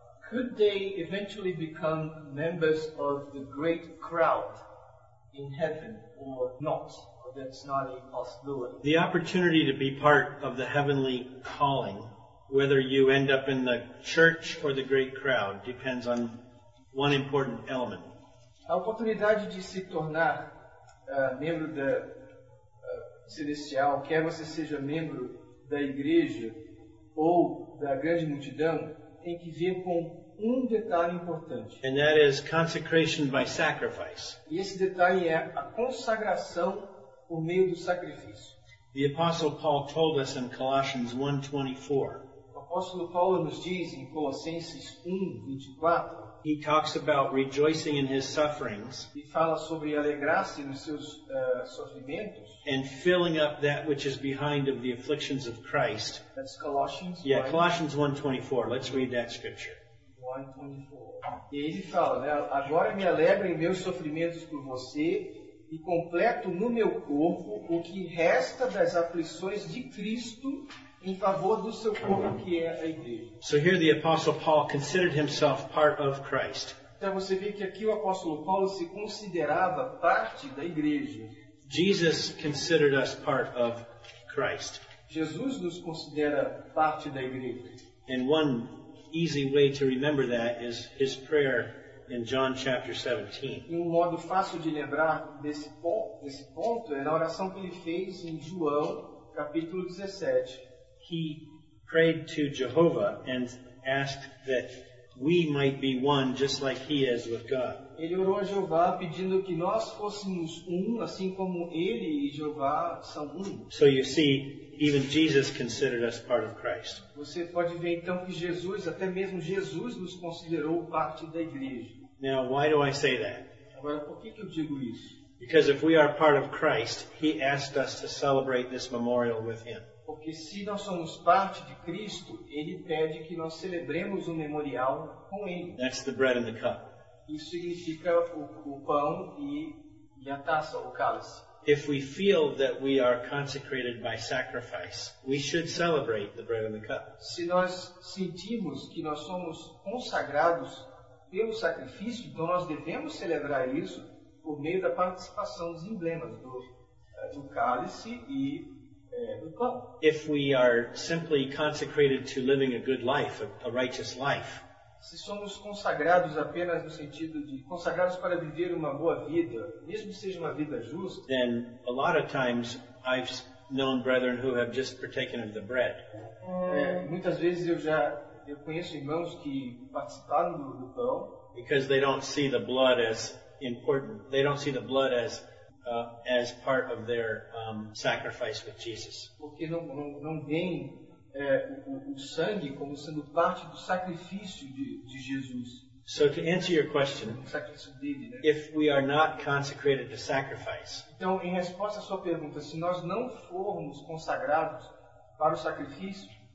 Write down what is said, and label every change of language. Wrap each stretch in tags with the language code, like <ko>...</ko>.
<en>Could they eventually become members of the great crowd in heaven or not? That's not a possibility. The opportunity to be part of the heavenly calling, whether you end up in the church or the great crowd, depends on one important element.</en> <pt>A oportunidade de se tornar membro da celestial, quer você seja membro da igreja ou da grande multidão, tem que ver com um detalhe importante.</pt> <en>And that is consecration by sacrifice.</en> <pt>E esse detalhe é a consagração por meio do sacrifício.</pt> <en>The Apostle Paul told us in Colossians 1:24.</en> <pt>Apóstolo Paulo nos diz em Colossenses 1:24.</pt> <en>He talks about rejoicing in his sufferings.</en> <pt>E fala sobre alegrar-se nos seus sofrimentos.</pt> <en>And filling up that which is behind of the afflictions of Christ. That's Colossians. Yeah, Colossians 1:24. Let's read that scripture.</en> <pt>1:24. E ele fala, né? Agora me alegro em meus sofrimentos por você e completo no meu corpo o que resta das aflições de Cristo em favor do seu corpo, que é a igreja.</pt> <en>So here the Apostle Paul considered himself part of Christ.</en> <pt>Então você vê que aqui o Apóstolo Paulo se considerava parte da igreja.</pt> <en>Jesus considered us part of Christ.</en> <pt>Jesus nos considera parte da igreja.</pt> <en>And one easy way to remember that is his prayer in John chapter 17.</en> <pt>Um modo fácil de lembrar desse ponto é na oração que ele fez em João capítulo 17.</pt> <en>He prayed to Jehovah and asked that we might be one just like he is with God.</en> <pt>Ele orou a Jeová pedindo que nós fôssemos um assim como ele e Jeová são um.</pt> <en>So you see, even Jesus considered us part of Christ.</en> <pt>Você pode ver então que Jesus, até mesmo Jesus, nos considerou parte da igreja.</pt> <en>Now, why do I say that?</en> <pt>Agora, por que que eu digo isso?</pt> <en>Because if we are part of Christ, he asked us to celebrate this memorial with him.</en> <pt>Porque se nós somos parte de Cristo, ele pede que nós celebremos um memorial com ele.</pt> <en>That's the bread and the cup.</en> <pt>Isso significa o pão e a taça, o cálice.</pt> <en>If we feel that we are consecrated by sacrifice, we should celebrate the bread and the cup.</en> <pt>Se nós sentimos que nós somos consagrados pelo sacrifício, então nós devemos celebrar isso por meio da participação dos emblemas do cálice e do pão.</pt> <en>If we are simply consecrated to living a good life, a righteous life.</en> <pt>Se somos consagrados apenas no sentido de consagrados para viver uma boa vida, mesmo que seja uma vida justa.</pt> <en>Then a lot of times I've known brethren who have just partaken of the bread.</en> <pt>Muitas vezes eu conheço irmãos que participaram do pão.</pt> <en>Because they don't see the blood as important. They don't see the blood as part of their sacrifice with Jesus.</en> <pt>Porque não veem o sangue como sendo parte do sacrifício de Jesus.</pt> <en>So to answer your question,</en> <pt>dele, né?</pt> <en>If we are not consecrated to sacrifice,</en> <pt>então, em resposta à sua pergunta, se nós não formos consagrados para o sacrifício,</pt>